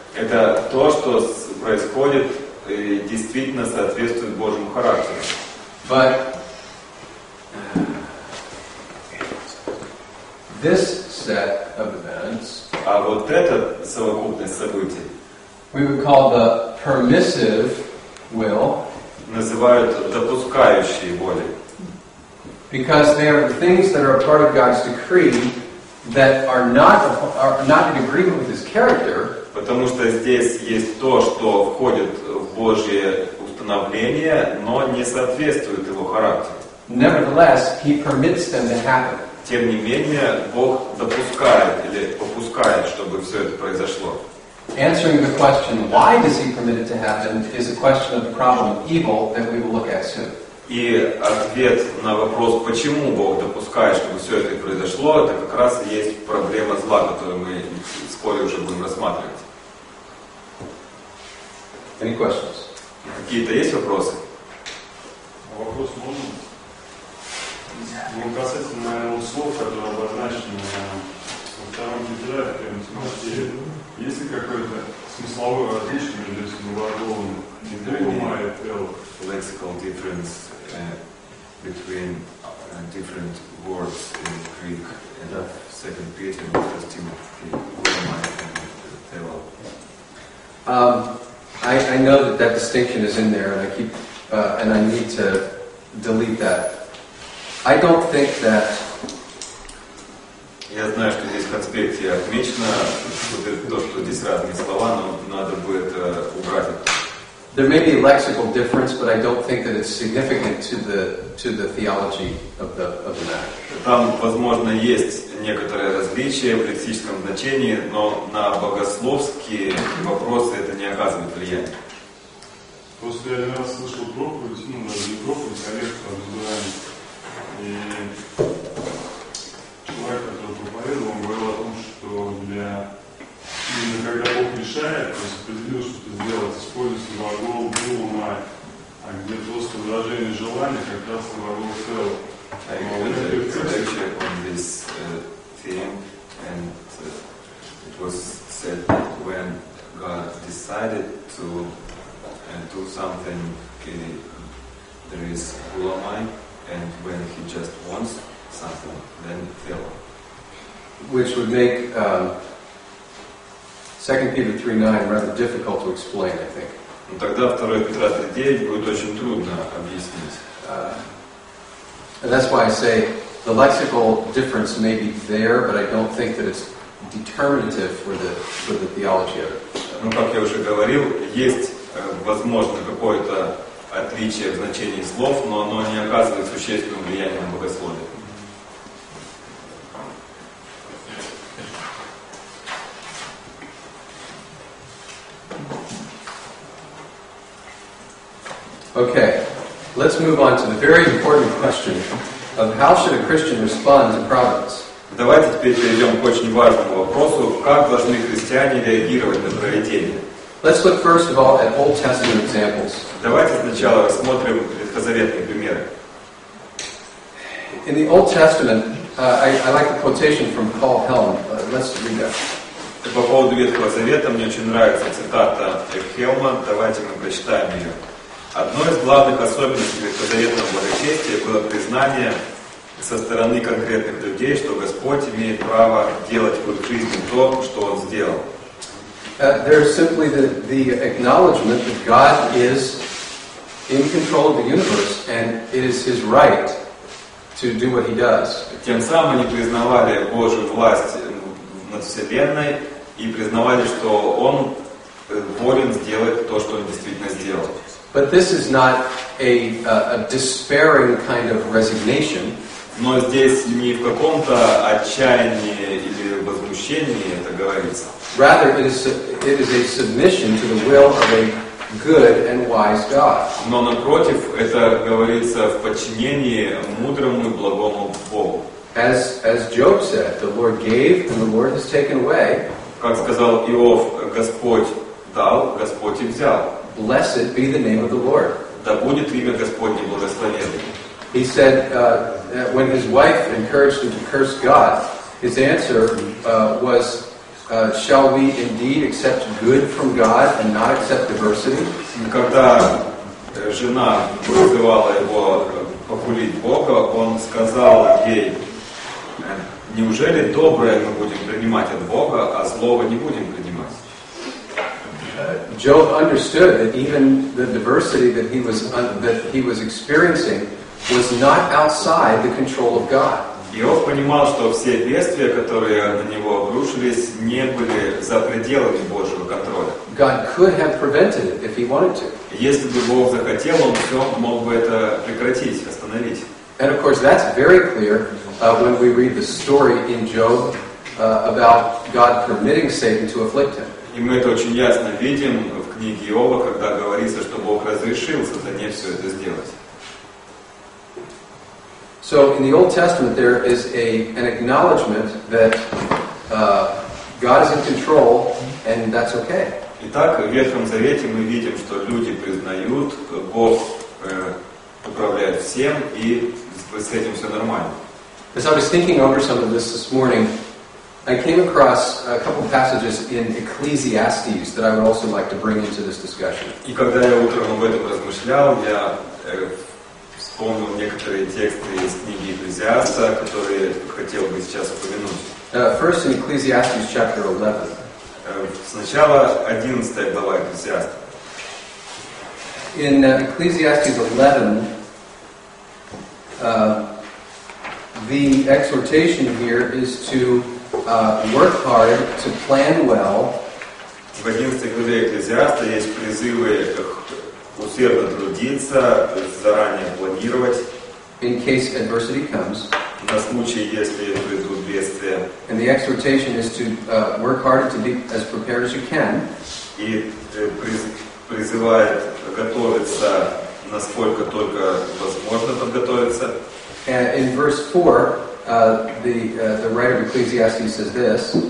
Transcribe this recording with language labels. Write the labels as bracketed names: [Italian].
[Russian] Это то, что происходит и действительно соответствует Божьему характеру. [English] But this set of events, [Russian] а вот эта совокупность событий, [English] we would call the permissive will, [Russian] называют допускающие воли. [English] Because they are the things that are a part of God's decree that are not in agreement with His character. [Russian] Потому что здесь есть то, что входит в Божье установление, но не соответствует Его характеру. [English] Nevertheless, He permits them to happen. [Russian] Тем не менее, Бог допускает или попускает, чтобы все это произошло. [English] Answering the question, why does He permit it to happen, is a question of the problem of evil that we will look at soon. [Russian] И ответ на вопрос, почему Бог допускает, чтобы все это произошло, это как раз и есть проблема зла, которую мы вскоре уже будем рассматривать. [English] Any questions? [Russian] Какие-то есть вопросы? Вопрос можно? Ну, касательно, наверное, слов, которые обозначены во втором гидре, в первом гидре, есть ли какое-то смысловое различие между этим глаголом «дума» и «тело»? [English] Lexical difference. Between different words in Greek and of Second Peter, First Timothy, I know that distinction is in there, and I keep and I need to delete that. I don't think that. [Russian] Я знаю, что здесь в конспекте отмечено то, что здесь разные слова, но надо будет убрать это. [English] There may be a lexical difference, but I don't think that it's significant to the theology of the matter. [Russian] Там, возможно, есть некоторое различие в лексическом значении, но на богословские вопросы это не оказывает влияния. После я один раз слышал проповедь, ну, даже не проповедь, а лекцию об избрании. И человек, который проповедовал, он говорил о том, что для... Именно когда Бог решает, то есть определил что-то сделать, используется глагол «дума», а где просто выражение желания, как раз глагол «тел». [English] I did a lecture on this theme, and it was said that when God decided to do something, there is «гуламай», and when He just wants something, then «тел». Which would make 2 Peter 3:9 rather difficult to explain, I think. [Russian] Тогда 2 Петра 3:9 будет очень трудно объяснить. [English] And that's why I say the lexical difference may be there, but I don't think that it's determinative for the theology of it. [Russian] Ну, как я уже говорил, есть возможно какое-то отличие в значении слов, но оно не оказывает существенного влияния на богословие. [English] Okay, let's move on to the very important question of how should a Christian respond to providence? [Russian] Давайте теперь перейдем к очень важному вопросу, как должны христиане реагировать на провидение. [English] Let's look first of all at Old Testament examples. [Russian] Давайте сначала рассмотрим ветхозаветные примеры. [English] In the Old Testament, I like the quotation from Paul Helm. Let's read that. [Russian] По поводу Ветхого Завета мне очень нравится цитата Хелма. Давайте мы прочитаем ее. Одной из главных особенностей ветхозаветного благочестия было признание со стороны конкретных людей, что Господь имеет право делать в жизни то, что Он сделал. [English] There is simply the acknowledgement that God is in control of the universe and it is His right to do what He does. [Russian] Тем самым они признавали Божью власть над Вселенной и признавали, что Он волен сделать то, что Он действительно сделал. [English] But this is not a despairing kind of resignation. [Russian] Но здесь не в каком-то отчаянии или возмущении это говорится. [English] Rather, it is a submission to the will of a good and wise God. [Russian] Но напротив, это говорится в подчинении мудрому и благому Богу. [English] As Job said, the Lord gave and the Lord has taken away. [Russian] Как сказал Иов, Господь дал, Господь и взял. [English] Blessed be the name of the Lord. [Russian] Да будет имя Господне благословенно. [English] He said, when his wife encouraged him to curse God, his answer was, shall we indeed accept good from God and not accept diversity? [Russian] Когда жена призывала его похулить Бога, он сказал ей, неужели доброе мы будем принимать от Бога, а злого не будем принимать? [English] Job understood that even the diversity that he was experiencing was not outside the control of God. [Russian] Иов понимал, что все бедствия, которые на него обрушились, не были за пределами Божьего контроля. [English] God could have prevented it if he wanted to. [Russian] Если бы Бог захотел, он все мог бы это прекратить, остановить. [English] And of course, that's very clear when we read the story in Job about God permitting Satan to afflict him. [Russian] И мы это очень ясно видим в книге Иова, когда говорится, что Бог разрешил сатане все это сделать. [English] So in the Old Testament there is an acknowledgement that God is in control and that's okay. [Russian] Итак, в Ветхом Завете мы видим, что люди признают, Бог управляет всем и с этим все нормально. [English] As I was thinking over some of this morning, I came across a couple of passages in Ecclesiastes that I would also like to bring into this discussion. [Russian] И когда я утром об этом размышлял, я вспомнил некоторые тексты из книги Екклезиаста, которые хотел бы сейчас упомянуть. [English] First in Ecclesiastes chapter 11. [Russian] Сначала 11 глава Екклезиаста. [English] In Ecclesiastes 11, the exhortation here is to work hard to plan well. [Russian] В 11 главе Екклезиаста есть призывы усердно трудиться, заранее планировать. [English] In case adversity comes. [Russian] На случай, если придут бедствия. [English] And the exhortation is to work hard to be as prepared as you can. [Russian] И призывает готовиться, насколько только возможно подготовиться. [English] And in verse 4, the writer of Ecclesiastes says this.